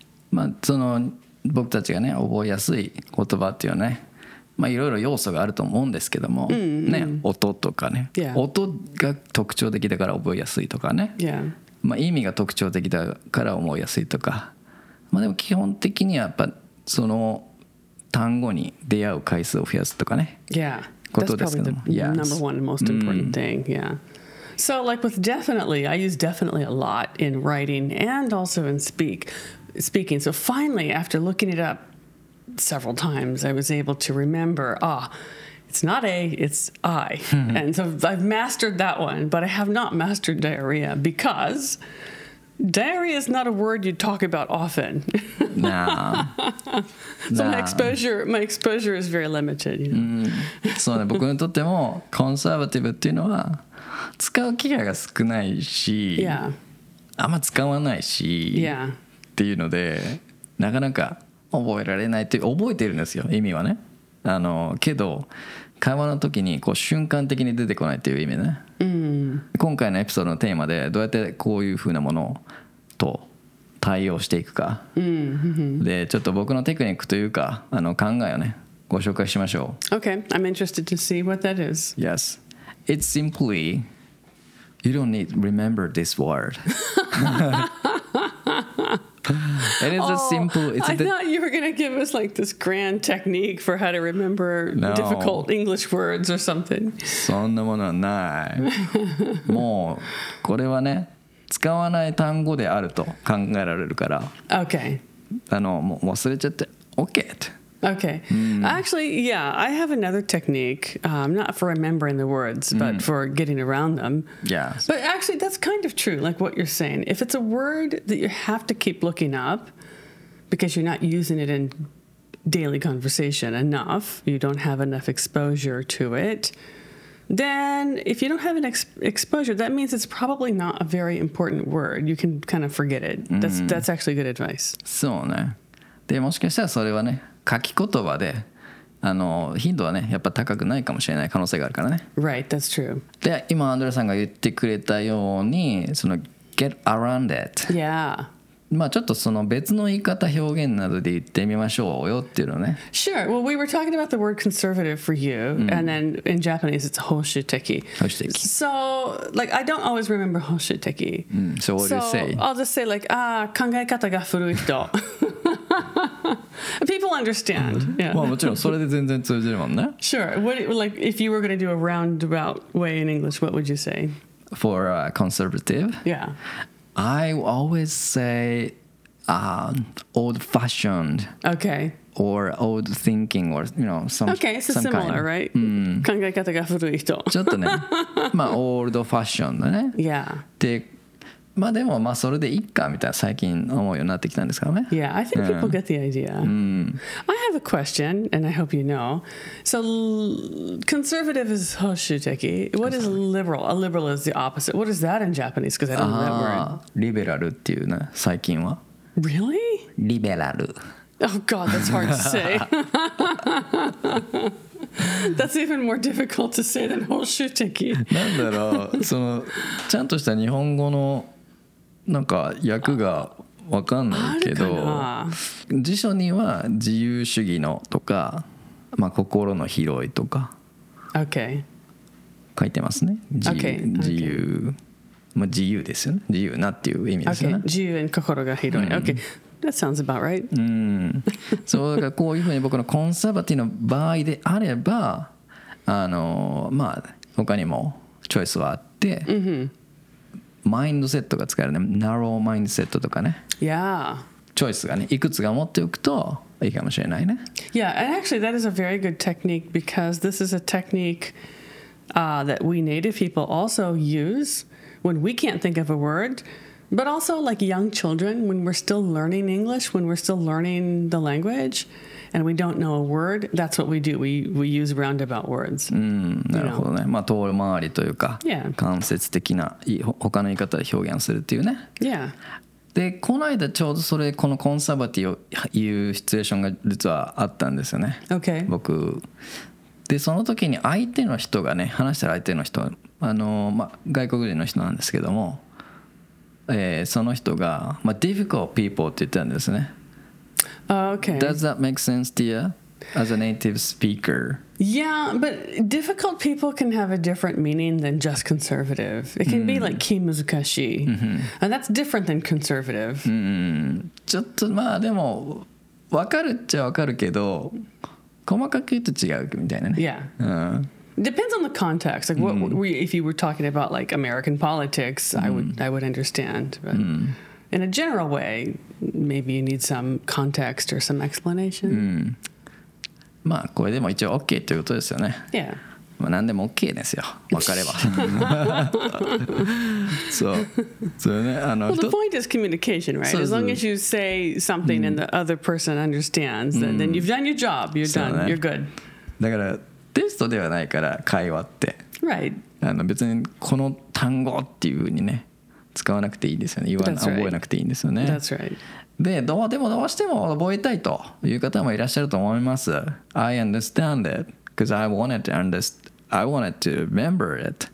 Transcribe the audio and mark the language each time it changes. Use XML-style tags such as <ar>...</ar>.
<ja>まあその僕たちがね覚えやすい言葉っていうのはね、まあいろいろ要素があると思うんですけども、ね音とかね、音が特徴的だから覚えやすいとかね、まあ意味が特徴的だから覚えやすいとか、まあでも基本的にはやっぱその単語に出会う回数を増やすとかね。</ja> <en>Yeah, that's probably the number one most important thing. Yeah. So, like with definitely, I use definitely a lot in writing and also in speaking. So finally, after looking it up several times, I was able to remember. Ah, it's not A, it's I. And so I've mastered that one, but I have not mastered diarrhea because diarrhea is not a word you talk about often. No. So no. My exposure is very limited, you know.</en> <ja>そうね、僕にとってもコンサーバティブっていうのは使う機会が少ないし、</ja> <en>yeah.</en> <ja>あんま使わないし、</ja> <en>yeah.</en> <ja>っていうのでなかなか覚えられないって覚えてるんですよ、意味はね。あのけど会話の時にこう瞬間的に出てこないっていう意味ね。今回のエピソードのテーマでどうやってこういう風なものと対応していくか、でちょっと僕のテクニックというかあの考えをねご紹介しましょう。</ja> <en>Okay, I'm interested to see what that is. Yes, it's simply you don't need to remember this word. It is I thought you were going to give us like this grand technique for how to remember no. difficult English words or something.</en> <ja>そんなものはない。もうこれはね、使わない単語であると考えられるから。</ja> <en>Okay.</en> <ja>あの、もう忘れちゃって、</ja> <en>Okay. Okay. Actually, yeah, I have another technique, not for remembering the words, but for getting around them. Yes. But actually, that's kind of true, like what you're saying. If it's a word that you have to keep looking up because you're not using it in daily conversation enough, you don't have enough exposure to it, then if you don't have an exposure, that means it's probably not a very important word. You can kind of forget it. That's actually good advice.</en> <ja>そうね。でもしかしたらそれはね、書き言葉で、あの頻度はね、やっぱ高くないかもしれない可能性があるからね。</ja> <en>Right, that's true.</en> <ja>で、今アンドレさんが言ってくれたように、その</ja> <en>get around it。 Yeah。</en> <ja>まあちょっとその別の言い方表現などで言ってみましょうよっていうのね。</ja> <en>Sure. Well, we were talking about the word conservative for you,、and then in Japanese it's hoshiteki.</en> <ja>Hoshiteki.</ja> <en>So, like, I don't always remember hoshiteki.、 So what do you say? I'll just say like, ah,</en> <ja>考え方が古い人。</ja> <en>People understand. Yeah. Sure. What, like, if you were going to do a roundabout way in English, what would you say? For conservative? Yeah. I always say old-fashioned. Okay. Or old thinking or, you know, some kind. Okay, so some similar, kind. Right?</en> <ja>考え方が古い人。ちょっとね。まあ、old-fashioned ね。</ja> <en>Yeah.</en> <ja>で、まあでもまあそれでいいかみたいな最近思うようになってきたんですからね。</ja> <en>Yeah, I think people get the idea. I have a question, and I hope you know. So, conservative is hoshiteki. What is liberal? A liberal is the opposite. What is that in Japanese? Because I don't know that word.</en> <ja>Liberal っていうね、最近は。</ja> <en>Really? Liberal. Oh God, that's hard to say. That's even more difficult to say than hoshiteki.</en> <ja>なんだろう、そのちゃんとした日本語のなんか訳が分かんないけど、辞書には自由主義のとか、まあ、心の広いとか書いてますね。</ja> <en>Okay.</en> <ja>自由、</ja> <en>okay.</en> <ja>まあ、自由ですよね。自由なっていう意味ですよね。 Okay. 自由に心が広い。うん、</ja> <en>okay. That sounds about right.</en> <ja>そうだからこういうふうに僕のコンサバティの場合であれば、あの、まあ、他にもチョイスはあって、</ja> <en>mm-hmm.</en> <ja>マインドセットが使えるね。ナローマインドセットとかね。</ja> <en>Yeah.</en> <ja>チョイスがね、いくつか持っておくといいかもしれないね。</ja> <en>Yeah, and actually that is a very good technique because this is a technique、that we native people also use when we can't think of a word, but also like young children when we're still learning English, when we're still learning the language, and we don't know a word, that's what we do. We use roundabout words.</en> <ja>なるほどね。まあ遠回りというか、</ja> <en>yeah.</en> <ja>間接的な他の言い方で表現するっていうね。</ja> <en>Yeah.</en> <ja>でこの間ちょうどそれこのコンサバティを言うシチュエーションが実はあったんですよね、</ja> <en>okay.</en> <ja>僕でその時に相手の人がね話してる相手の人あの、ま、外国人の人なんですけども、その人が、ま、</ja> <en>difficult people</en> <ja>って言ったんですね、</ja> <en>okay. Does that make sense to you as a native speaker? Yeah, but difficult people can have a different meaning than just conservative. It can、mm. be like kimuzukashi.、 Mm-hmm. And that's different than conservative.、 Mm.</en> <ja>ちょっとまあでも、わかるっちゃわかるけど、細かく言うと違うみたいなね。</ja> <en>Yeah.、Depends on the context. Like what,、mm. If you were talking about like American politics,、mm. I would understand. But、mm. in a general way, maybe you need some context or some explanation.、 Mm.</en> <ja>まあこれでも一応 OK ということですよね、</ja> <en>yeah.</en> <ja>まあ何でも OK ですよ分かればそうそれ、ね、あの</ja> <en>Well the point is communication right? As long as you say something、うん、and the other person understands、うん、then you've done your job You're done、ね、You're good</en> <ja>だからテストではないから会話って、</ja> <en>right.</en> <ja>あの別にこの単語っていう風にね使わなくていいですよね言わな、</ja> <en>right.</en> <ja>覚えなくていいんですよね</ja> <en>That's right</en> <ja>で、どうしても覚えたいという方もいらっしゃると思います。</ja> <en>I understand it, because I wanted to understand, I wanted to remember it.</en>